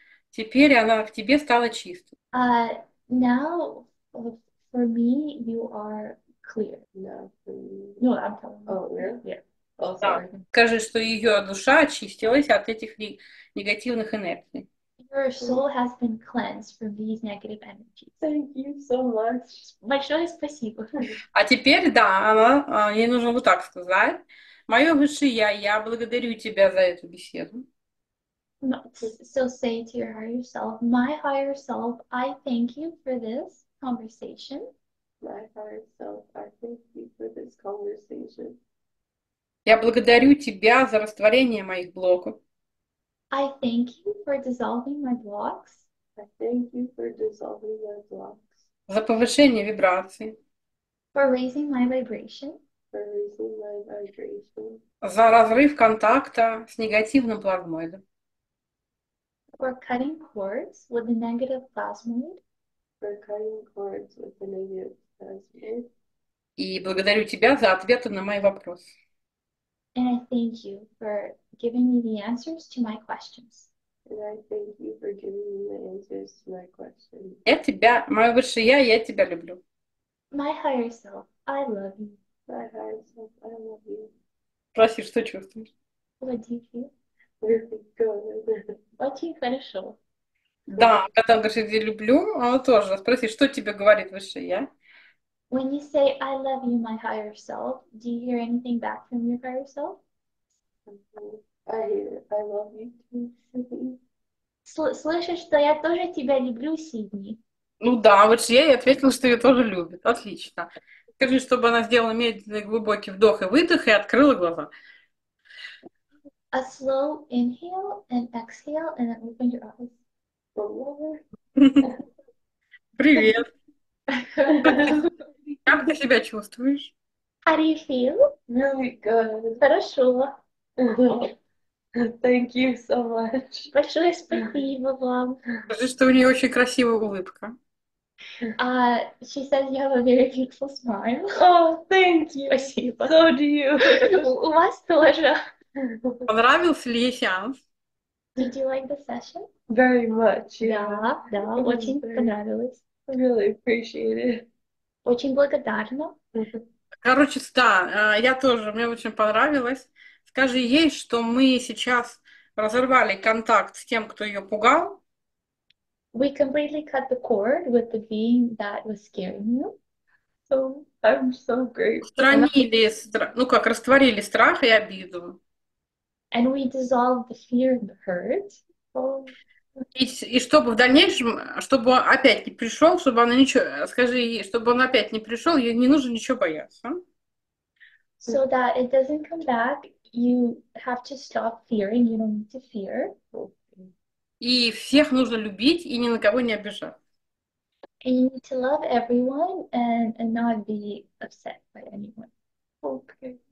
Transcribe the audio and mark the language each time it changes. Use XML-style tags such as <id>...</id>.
<ru>Теперь она в тебе стала чистой.</ru> <en>Now, for me, you are clear. No, I'm telling you. Oh, yeah? Yeah. Oh,</en> <ru>да. Скажи, что ее душа очистилась от этих негативных энергий.</ru> <en>Your soul has been cleansed from these negative energies. Thank you so much.</en> <ru>Большое спасибо. А теперь, да, ей нужно вот так сказать. Мое высшее я благодарю тебя за эту беседу.</ru> <en>So say to your higher self, my higher self, I thank you for this conversation. My higher self, I thank you for this conversation.</en> <ru>Я благодарю тебя за растворение моих блоков.</ru> <en>I thank you for dissolving my blocks. I thank you for dissolving my blocks.</en> <ru>За повышение вибрации.</ru> <en>For raising my vibration. For raising my vibration.</en> <ru>За разрыв контакта с негативным плазмоидом.</ru> <en>For cutting cords with the negative plasmoid. For cutting cords with the negative plasmoid.</en> <ru>И благодарю тебя за ответы на мои вопросы.</ru> <en>And I thank you for giving me the answers to my questions. And I thank you for giving me the answers to my questions.</en> <ru>Я тебя, мое высшее я тебя люблю.</ru> <en>My higher self, I love you. My higher self, I love you.</en> <ru>Спроси, что чувствуешь?</ru> <en>What do you feel?</en> <ru>Очень хорошо. Да, когда говоришь «я люблю», он тоже спроси, что тебе говорит высшее «я».</ru> <en>When you say «I love you, my higher self», do you hear anything back from your higher self? I love you too, Sydney.</en> <ru>Слышишь, что я тоже тебя люблю, Сидни? Ну да, вот я ей ответила, что ее тоже любит. Отлично. Скажи, чтобы она сделала медленный глубокий вдох и выдох и открыла глаза.</ru> <en>A slow inhale and exhale and then open your eyes.</en> <ru>Привет. Как ты себя чувствуешь?</ru> <en>How do you feel? Really good.</en> <ru>Хорошо.</ru> <en>Thank you so much.</en> <ru>Большое спасибо вам. Скажи, что у нее очень красивая улыбка.</ru> <en>She says you have a very beautiful smile. Oh, thank you.</en> <ru>Спасибо.</ru> <en>So do you.</en> <ru>У вас тоже. Понравился ли ей сеанс?</ru> <en>Did you like the session? Very much, yeah.</en> <ru>Да, да, очень понравилось.</ru> <en>I really appreciate it.</en> <ru>Очень благодарна. Короче, да, я тоже, мне очень понравилось. Скажи ей, что мы сейчас разорвали контакт с тем, кто ее пугал.</ru> <en>We completely cut the cord with the being that was scaring you. So, I'm so grateful.</en> <ru>Устранили, ну как, растворили страх и обиду.</ru> <en>And we dissolved the fear and the hurt. So...</en> <ru>И чтобы в дальнейшем, чтобы он опять не пришел, чтобы она ничего, скажи ей, чтобы он опять не пришел, ей не нужно ничего бояться.</ru> <en>So that it doesn't come back, you have to stop fearing, you don't need to fear.</en> <ru>И всех нужно любить и ни на кого не обижаться.</ru> <en>You need to love everyone and not be upset by anyone.</en>